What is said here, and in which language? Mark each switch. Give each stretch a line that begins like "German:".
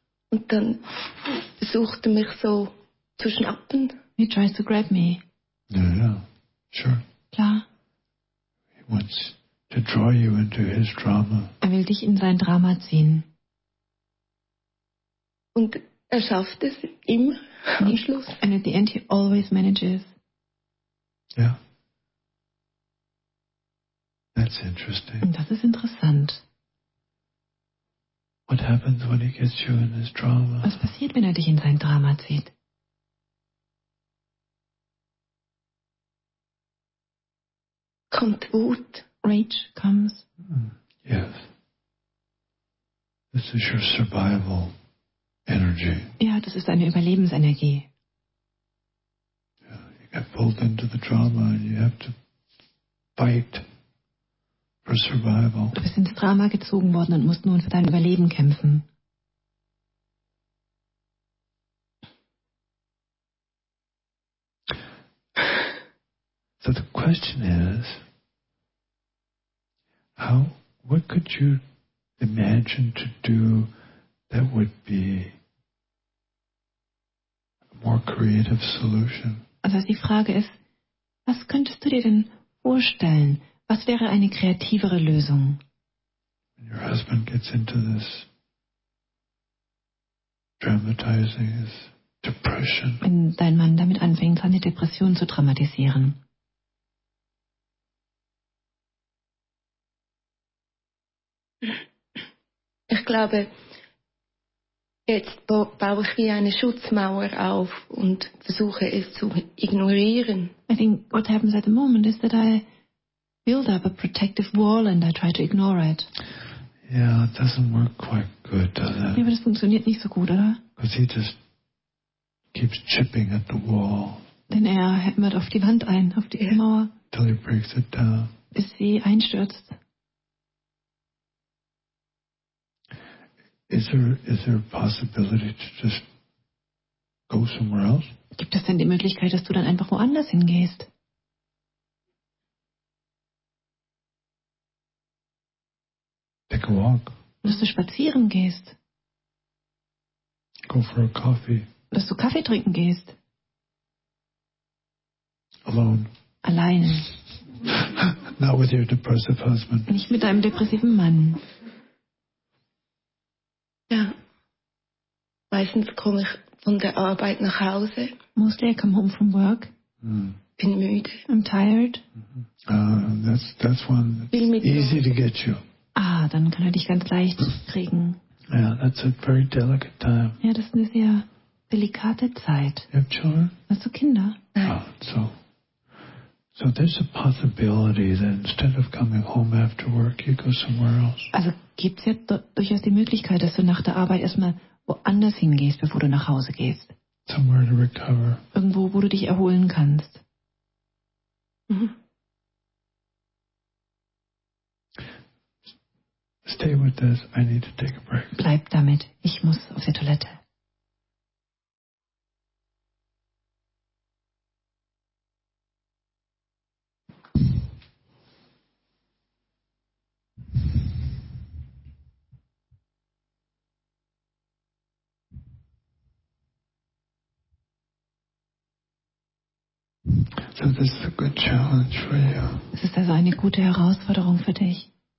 German: Und dann versucht er mich so zu schnappen.
English: He tries to grab me. Yeah. Sure.
German: Klar.
English: He wants to draw you into his drama.
German: Er will dich in sein Drama ziehen. Und er schafft es im Anschluss.
English: And at the end he always manages. Yeah. That's interesting.
German: Und das ist interessant.
English: What happens when he gets you in his drama?
German: Was passiert, wenn er dich in sein Drama zieht? Kommt Wut.
English: Rage comes. Yes. This is your survival energy.
German: Ja, das ist deine Überlebensenergie.
English: Yeah, you get pulled into the drama and you have to fight for survival.
German: Du bist ins Drama gezogen worden und musst nun für dein Überleben kämpfen.
English: So the question is, what could you imagine to do that would be a more creative solution?
German: Also die Frage ist, was könntest du dir denn vorstellen? Was wäre eine kreativere Lösung?
English: When your husband gets into this dramatizing his depression.
German: Wenn dein Mann damit anfängt, seine Depression zu dramatisieren. Ich glaube, jetzt baue ich wie eine Schutzmauer auf und versuche es zu ignorieren.
English: I think what happens at the moment is that I build up a protective wall and I try to ignore it. Yeah, it doesn't work quite good, does it?
German: Ja, aber das funktioniert nicht so gut, oder?
English: Because he just keeps chipping at the wall.
German: Denn er hämmert auf die Wand ein, auf die Mauer.
English: Till he breaks it down.
German: Bis sie einstürzt.
English: Is there a possibility to just go somewhere else?
German: Gibt es denn die Möglichkeit, dass du dann einfach woanders hingehst?
English: Take a walk.
German: Dass du spazieren gehst.
English: Go for a coffee.
German: Dass du Kaffee trinken gehst.
English: Alone.
German: Alleine.
English: Not with your depressive husband.
German: Nicht mit deinem depressiven Mann. Ja. Meistens komme ich von der Arbeit nach Hause.
English: Mostly I come home from work.
German: Mm. Bin müde.
English: I'm tired. That's one that's easy to get you.
German: Ah, dann kann er dich ganz leicht kriegen.
English: Yeah, that's a very delicate time.
German: Ja, das ist eine sehr delikate Zeit.
English: You have children?
German: Hast du Kinder? Nein.
English: So there's a possibility that instead of coming home after work, you go somewhere else.
German: Also gibt's ja durchaus die Möglichkeit, dass du nach der Arbeit erstmal woanders hingehst, bevor du nach Hause gehst.
English: Somewhere to recover.
German: Irgendwo, wo du dich erholen kannst.
English: Stay with this. I need to take a break.
German: Bleib damit. Ich muss auf die Toilette.
English: So this is a good challenge for you.
German: Es ist also eine gute Herausforderung für dich.